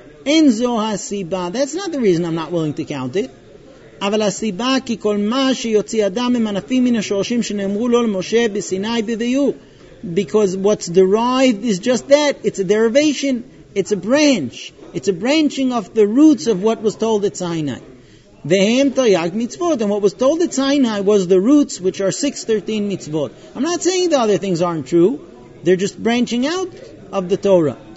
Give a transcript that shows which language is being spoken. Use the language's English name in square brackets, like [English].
[English] That's not the reason I'm not willing to count it. [Hebrew] אבל הסיבה כי כל מה שיוציא אדם הם ענפים מן השורשים שנאמרו לו למשה בסיני בביור. [English] Because what's derived is just that. It's a derivation. It's a branch. It's a branching of the roots of what was told at Sinai. [Hebrew] והם תרייג מצוות. [English] And what was told at Sinai was the roots, which are 613 מצוות. I'm not saying the other things aren't true. They're just branching out of the Torah.